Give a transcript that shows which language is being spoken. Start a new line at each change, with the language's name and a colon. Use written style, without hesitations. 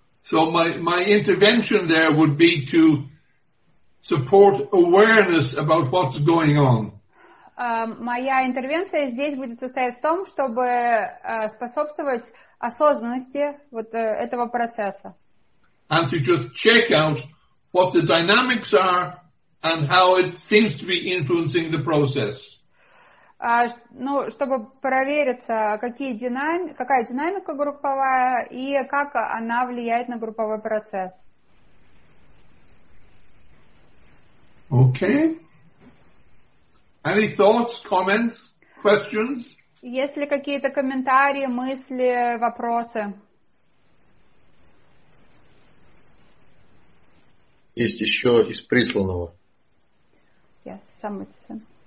English: So my intervention there would be to support awareness about what's going on.
Russian: Моя интервенция здесь будет состоять в том, чтобы способствовать осознанности этого процесса.
English: And to just check out what the dynamics are and how it seems to be influencing the process.
Russian: ну, чтобы провериться, какие какая динамика групповая и как она влияет на групповой процесс.
English: Okay. Any thoughts, comments, questions?
Russian: Есть ли какие-то комментарии, мысли, вопросы? Есть еще из присланного.
English: Yes, some of them.